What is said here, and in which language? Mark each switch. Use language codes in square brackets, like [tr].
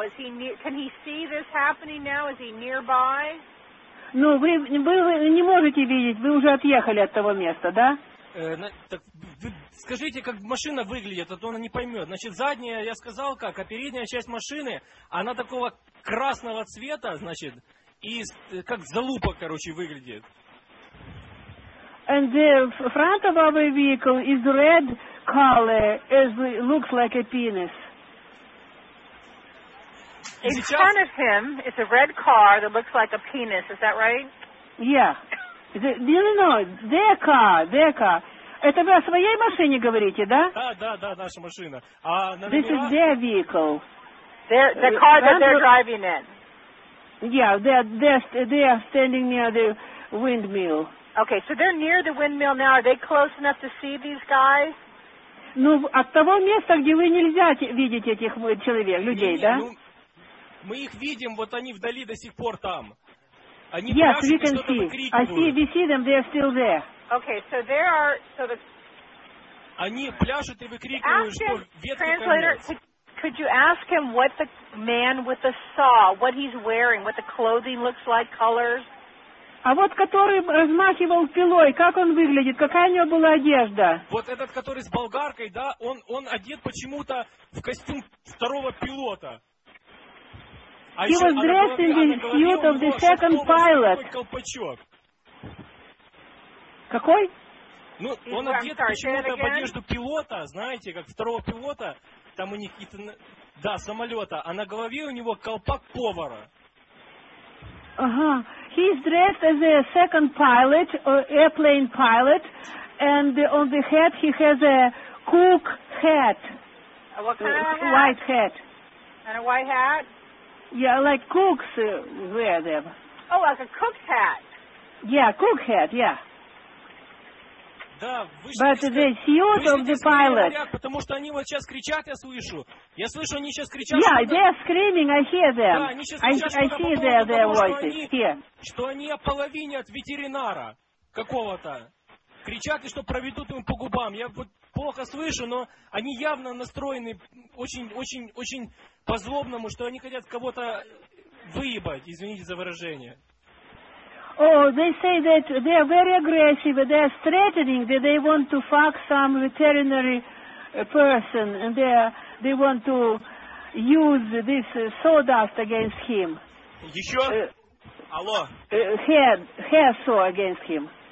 [en] Is he near, can he see this happening now? Is he nearby? [ru] Ну, вы не можете видеть, вы уже отъехали от того места, да? Так, вы скажите, как машина выглядит, а то она не поймет. Значит, задняя, я сказал как, а передняя часть машины, она такого красного цвета, значит, и как залупа, короче, выглядит. [en] And the front of our vehicle is red color, as it looks like a penis. In front of him, it's a red car that looks like a penis. Is that right? Yeah. The, you know, their car, their car. [ru] Это вы о своей машине говорите, да? Да, да, да, наша машина. А на [en] this [ru] номера? [en] Is their vehicle. The car that they're driving in. Yeah, they are standing near the windmill. Okay, so they're near the windmill now. Are they close enough to see these guys? [ru] Ну, от того места, где вы нельзя видеть этих человек, людей, да? Ну, мы их видим, вот они вдали до сих пор там. Они [en] yes, we can see. I see, we see them, they are still there. Okay, so there are... So the... [ru] Они пляшут и выкрикивают, что ветки translator, конец. [en] Could you ask him what the man with the saw, what he's wearing, what the clothing looks like, colors? [ru] А вот который размахивал пилой, как он выглядит, какая у него была одежда? Вот этот, который с болгаркой, да, он одет почему-то в костюм второго пилота. [en] А he was dressed in the suit of the second pilot. [ru] Колпачок. Какой? Ну, he's он одет почему-то в одежду пилота, знаете, как второго пилота, там у них какие-то, да, самолета, а на голове у него колпак повара. Ага. [en] He's dressed as a second pilot, or airplane pilot, and on the head he has a cook hat. What kind of hat? White hat. And a white hat? Yeah, like cooks wear them. Oh, like a cook's hat. Yeah, cook hat, yeah. [ru] Да, [en] but the suit of the pilot. [ru] Потому что они вот сейчас кричат, я слышу. Я слышу, они сейчас кричат. [en] Yeah, they are screaming, I hear them. [ru] Да, они сейчас кричат, [en] I see their voices. [ru] Что они, что они о половине от ветеринара какого-то. Кричат, и что проведут им по губам. Я вот плохо слышу, но они явно настроены очень-очень-очень по-злобному, что они хотят кого-то выебать, извините за выражение. [en] Oh, they say that they are very aggressive, they are threatening that they want to fuck some veterinary person, and they want to use this sawdust against him. [ru] Еще? Алло? [en] Hair saw against him.